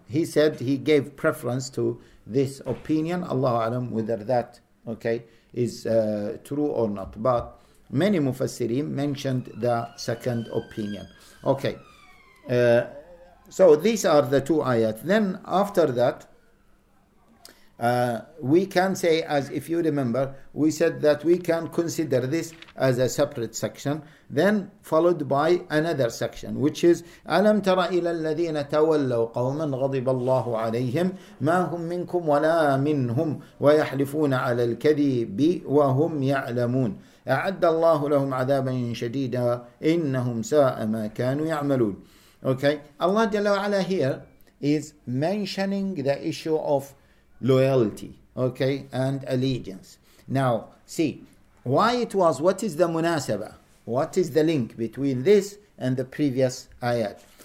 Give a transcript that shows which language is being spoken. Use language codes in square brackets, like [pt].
[en] He said he gave preference to this opinion. Allahu alam whether that okay is true or not. But many mufassirin mentioned the second opinion. Okay. So these are the two ayat. Then after that, we can say, as if you remember, we said that we can consider this as a separate section, then followed by another section, which is [ar] أَلَمْ تَرَ إِلَى الَّذِينَ تَوَلَّوْا قَوْمًا غَضِبَ اللَّهُ عَلَيْهِمْ مَا هُمْ مِنْكُمْ وَلَا مِنْهُمْ وَيَحْلِفُونَ عَلَى الْكَذِبِ وَهُمْ يَعْلَمُونَ أَعَدَّ اللَّهُ لَهُمْ عَذَابًا شَدِيدًا إِنَّهُمْ سَاءَ مَا كَانُوا يَعْمَلُونَ. [en] Okay, Allah Jalla wa'ala here is mentioning the issue of loyalty, okay, and allegiance. Now, see, why it was, what is the munasaba? What is the link between this and the previous ayat?